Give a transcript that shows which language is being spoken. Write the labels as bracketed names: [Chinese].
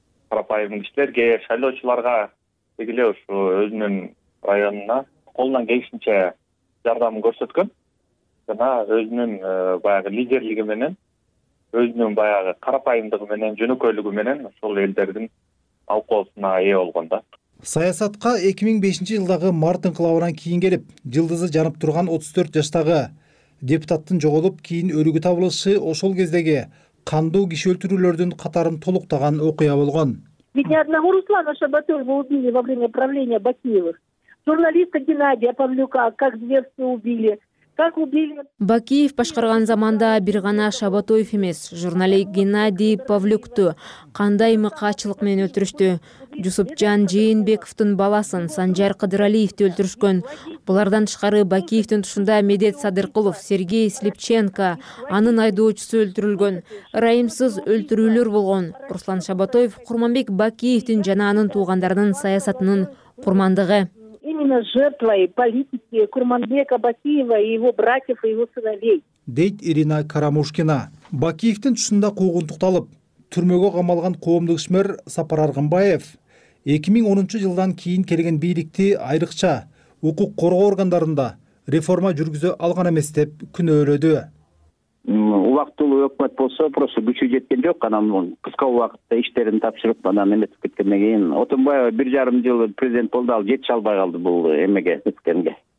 [Kyrgyz] Карапайым кишилерге шайлоочуларга деги эле ушу өзүнүн районуна колунан келишинче жардамын көрсөткөн жана өзүнүн баягы лидерлиги менен өзүнүн баягы карапайымдыгы менен жөнөкөйлүгү менен ошол элдердин алкоосуна ээ болгон да. Саясатка 2005 жылдагы март инкылабынан кийин келип жылдызы жанып турган 34 жаштагы депутаттын жоголуп кийин өлүгү табылышы ошол кездеги кандуу киши өлтүрүүлөрдүн катарын толуктаган окуя болгон. [Russian] Ведь ни одного Руслана Шаботоева убили во время правления Бакиевых. Журналиста Геннадия Павлюка как зверски убили. [Kyrgyz] Бакиев башкарган заманда бир гана Шабатоев эмес, журналист Геннадий Павлюкту кандай мыкаачылык менен өлтүрүштү. Жусупжан Жээнбековдун баласын Санжар Кыдыралиевди өлтүрүшкөн. Булардан тышкары Бакиевдин тушунда Медет Садыркулов, Сергей Слепченко, анын айдоочусу өлтүрүлгөн. Ырайымсыз өлтүрүүлөр болгон. Руслан Шабатоев Курманбек Бакиевдин жана анын туугандарынын саясатынын курмандыгы. [Russian] Именно жертвой политики Курманбека Бакиева и его братьев и его сыновей. [Kyrgyz] Дейт Ирина Карамушкина. Бакиевтин түшүндө куугунтукталып, түрмөгө камалган коомдук ишмер Сапар Аргынбаев 2010 жылдан кийин келген бийликти айрыкча укук коргоо органдарында реформа жүргүзө алган эмес деп күнөөлөдү. Убактылуу өкмөт болсо, просто күчү жеткен жок, анан кыска убакытта иштерин тапшырып, анан эметип кеткенден кийин Отунбаева 1.5 жыл президент болду, ал жетише албай калды бул эмеге, эткенге.